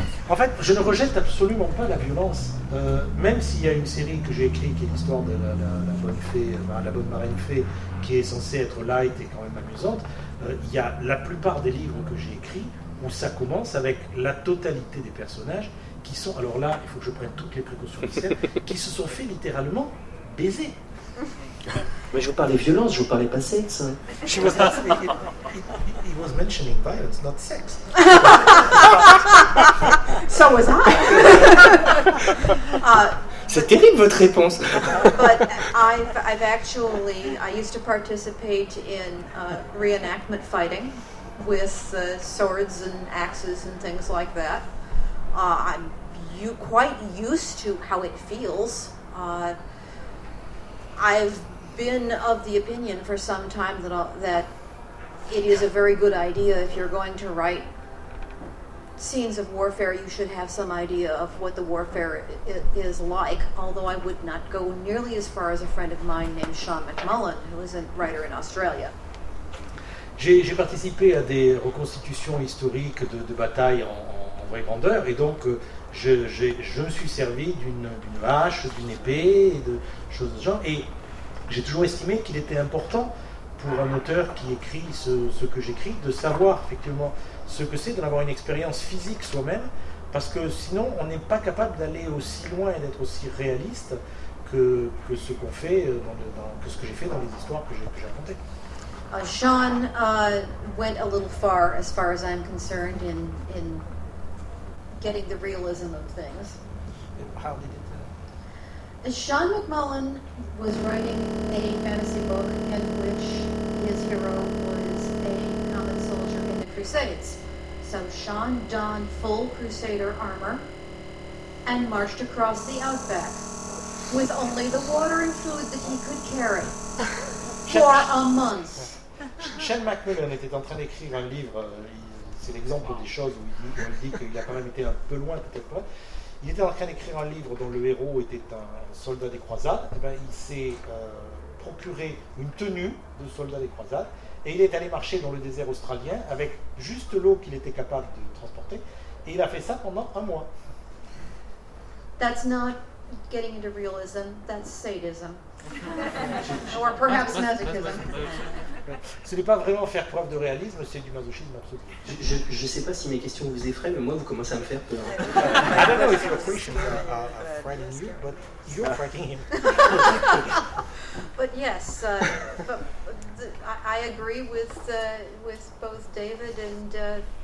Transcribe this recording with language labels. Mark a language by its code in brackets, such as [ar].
[fr] En fait, je ne rejette absolument pas la violence. Même s'il y a une série que j'ai écrite qui est l'histoire de la bonne fée, enfin, la bonne marraine fée, qui est censée être light et quand même amusante, il y a la plupart des livres que j'ai écrits où ça commence avec la totalité des personnages qui sont, alors là, il faut que je prenne toutes les précautions nécessaires, qui se sont fait littéralement baiser. Mais je vous parlais violence, je vous parlais pas sexe. [en] She was he was mentioning violence, not sex. So was I. [fr] C'est terrible votre réponse. [en] But I used to participate in reenactment fighting with swords and axes and things like that. I'm quite used to how it feels. I've been of the opinion for some time that it is a very good idea if you're going to write scenes of warfare, you should have some idea of what the warfare is like, although I would not go nearly as far as a friend of mine named Sean McMullen, who is a writer in Australia. [fr] J'ai participé à des reconstitutions historiques de batailles en vraie grandeur, et donc je me suis servi d'une hache, d'une épée, et de choses de ce genre, et j'ai toujours estimé qu'il était important pour un auteur qui écrit ce que j'écris de savoir effectivement ce que c'est, d'en avoir une expérience physique soi-même, parce que sinon on n'est pas capable d'aller aussi loin et d'être aussi réaliste que ce qu'on fait, que ce que j'ai fait dans les histoires que j'ai racontées. [en] Sean went a little far as I'm concerned in getting the realism of things. How did it? Sean McMullen was writing a fantasy book in which his hero was a common soldier in the Crusades. So Sean donned full Crusader armor and marched across the outback with only the water and food that he could carry for a month. [fr] Sean McMullen était en train d'écrire un livre. C'est l'exemple des choses où il dit qu'il a quand même été un peu loin, peut-être pas. Il était en train d'écrire un livre dont le héros était un soldat des croisades. Et ben, il s'est procuré une tenue de soldat des croisades et il est allé marcher dans le désert australien avec juste l'eau qu'il était capable de transporter. Et il a fait ça pendant un mois. [en] That's not getting into realism, that's sadism. Or perhaps masochism. [fr] Ce n'est pas vraiment faire preuve de réalisme, c'est du masochisme absolu. Je ne sais pas si mes questions vous effraient, mais moi, vous commencez à me faire peur. [en] I don't know if your questions are frightening you, but you're frightening him. But yes, I agree with both David and